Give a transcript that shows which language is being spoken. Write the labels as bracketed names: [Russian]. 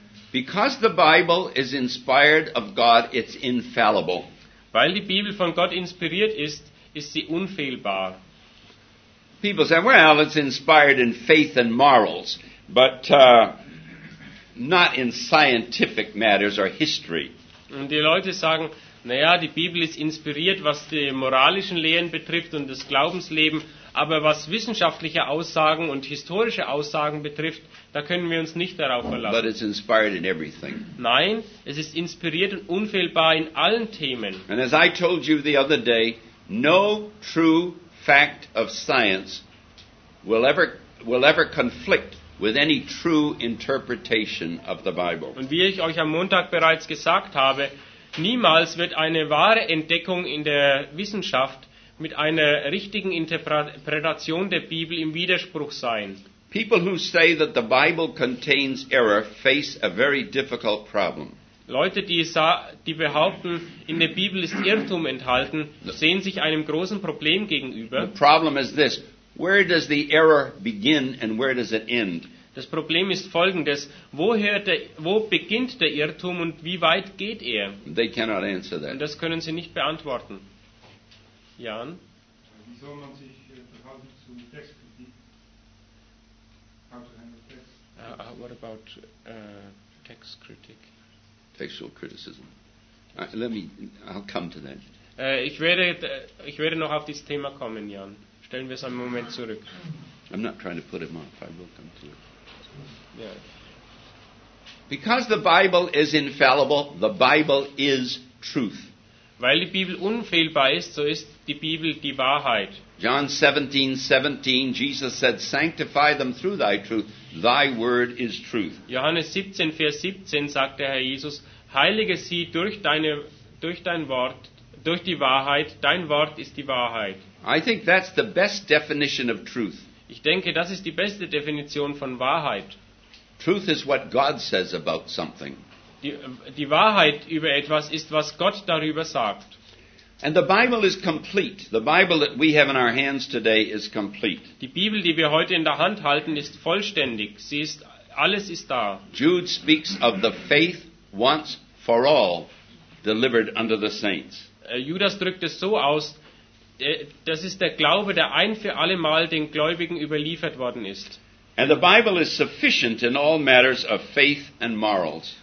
[English] Because the Bible is inspired of God, it's infallible. [German] Weil die Bibel von Gott inspiriert ist, ist sie unfehlbar. [English] People say, well, it's inspired in faith and morals, but not in scientific matters or history. [German] Und die Leute sagen, naja, die Bibel ist inspiriert, was die moralischen Lehren betrifft und das Glaubensleben, aber was wissenschaftliche Aussagen und historische Aussagen betrifft, da können wir uns nicht darauf verlassen. [English] But it's inspired in everything. [German] Nein, es ist inspiriert und unfehlbar in allen Themen. [English] And as I told you the other day, no true fact of science will ever conflict with any true interpretation of the Bible. [German] Und wie ich euch am Montag bereits gesagt habe, niemals wird eine wahre Entdeckung in der Wissenschaft mit einer richtigen Interpretation der Bibel im Widerspruch sein. [English] People who say that the Bible contains error face a very difficult problem. [German] Leute, die behaupten, in der Bibel ist Irrtum enthalten, sehen sich einem großen Problem gegenüber. [English] The problem is this: where does the error begin and where does it end? [German] Das Problem ist folgendes: wo beginnt der Irrtum und wie weit geht er? [English] They cannot answer that. [German] Und das können sie nicht beantworten. Jan? Wie soll man sich verhalten zu Textkritik? [English] How to handle text? What about text critic? Textual criticism. I'll come to that. [German] Ich werde noch auf dieses Thema kommen, Jan. Stellen wir es einen Moment zurück. [English] I'm not trying to put him off. I will come to it. Yeah. Because the Bible is infallible, the Bible is truth. [German] Weil die Bibel unfehlbar ist, so ist die Bibel die Wahrheit. [English] John 17:17, Jesus said, "Sanctify them through thy truth. Thy word is truth." [German] Johannes 17, Vers 17 sagt der Herr Jesus, heilige sie durch die Wahrheit. Dein Wort ist die Wahrheit. [English] I think that's the best definition of truth. [German] Ich denke, das ist die beste Definition von Wahrheit. [English] Truth is what God says about something. [German] Die Wahrheit über etwas ist, was Gott darüber sagt. [English] And the Bible is complete. The Bible that we have in our hands today is complete. [German] Die Bibel, die wir heute in der Hand halten, ist vollständig. Sie ist, alles ist da. [English] Jude speaks of the faith once for all delivered unto the saints. [German] Judas drückt es so aus, das ist der Glaube, der ein für alle Mal den Gläubigen überliefert worden ist. [English] And the Bible is sufficient in all matters of faith and morals.